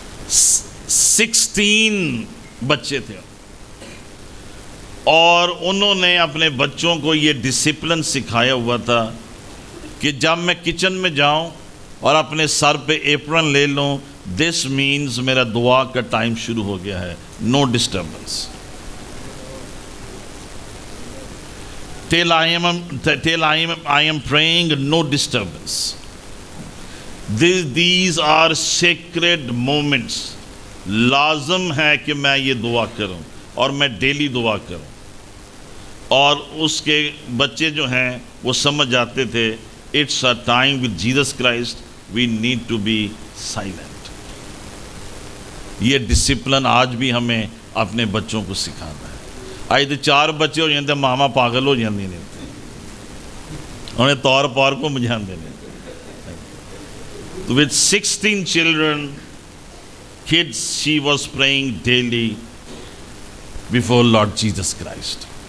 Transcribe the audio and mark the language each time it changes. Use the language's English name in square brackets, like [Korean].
[Urdu] 16 بچے تھے اور انہوں نے اپنے بچوں کو یہ ڈسپلن سکھایا ہوا تھا کہ جب میں کچن میں جاؤں اور اپنے سر پہ ایپرن لے لوں [English] this means [Urdu] میرا دعا کا ٹائم شروع ہو گیا ہے. [English] No disturbance till I am praying, no disturbance. These are sacred moments. [Urdu] لازم ہے کہ میں یہ دعا کروں اور میں ڈیلی دعا کروں. اور اس کے بچے جو ہیں وہ سمجھ جاتے تھے [English] it's a time with Jesus Christ, we need to be silent. [Urdu] یہ ڈسپلن آج بھی ہمیں اپنے بچوں کو سکھانا ہے. آج تو 4 بچے ہو جاتے ماما پاگل ہو جاتے ہیں, انہیں طور پور کو مجھے دینے. تو [English] With 16 children kids, she was praying daily before Lord Jesus Christ.